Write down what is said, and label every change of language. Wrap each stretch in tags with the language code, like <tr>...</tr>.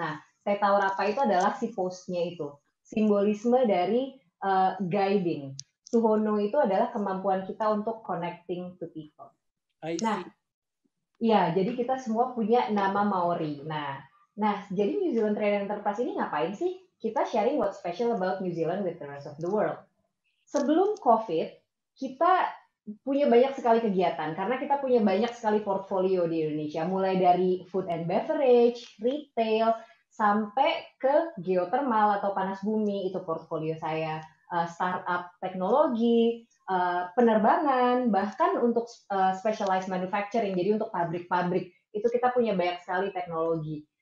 <id>Nah, Te Tau Rapa itu adalah si postnya itu, simbolisme dari guiding. Tuhono itu adalah kemampuan kita untuk</id> <en>connecting to people.</en> <id>Nah, ya, jadi kita semua punya nama Maori. Nah, jadi New Zealand Trade Enterprise ini ngapain sih?</id> <en>Kita sharing what's special about New Zealand with the rest of the world.</en> <id>Sebelum COVID, kita punya banyak sekali kegiatan, karena kita punya banyak sekali portfolio di Indonesia, mulai dari food and beverage, retail, sampai ke geothermal atau panas bumi, itu portfolio saya, startup teknologi, penerbangan, bahkan untuk specialized manufacturing, jadi untuk pabrik-pabrik, itu kita punya banyak sekali teknologi.</id>